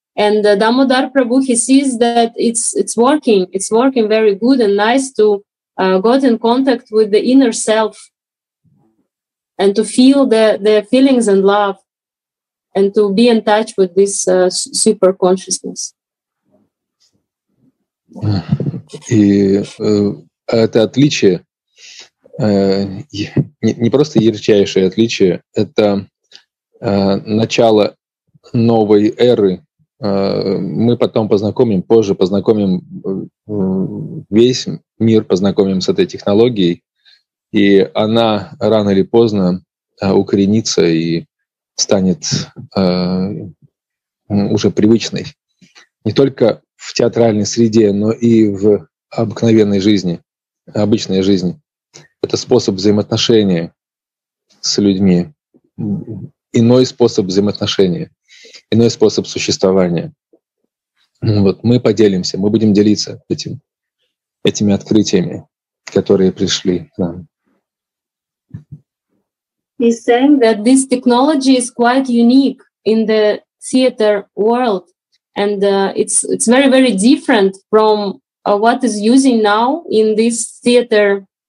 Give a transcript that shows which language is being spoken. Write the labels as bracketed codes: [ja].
[en] And Damodar Prabhu, he sees that it's working very good and nice to get in contact with the inner self and to feel their feelings and love and to be in touch with this super consciousness. [ru] И это отличие, не просто ярчайшее отличие, это начало новой эры. Мы потом познакомим, позже познакомим весь мир, познакомим с этой технологией, и она рано или поздно укоренится и станет уже привычной. Не только в театральной среде, но и в обыкновенной жизни, обычной жизни. Это способ взаимоотношения с людьми, иной способ взаимоотношения, иной способ существования. Вот мы поделимся, мы будем делиться этими открытиями, которые пришли к нам. [en] He's saying that this technology is quite unique in the theater world, and it's very, very different from what is using now in this theater.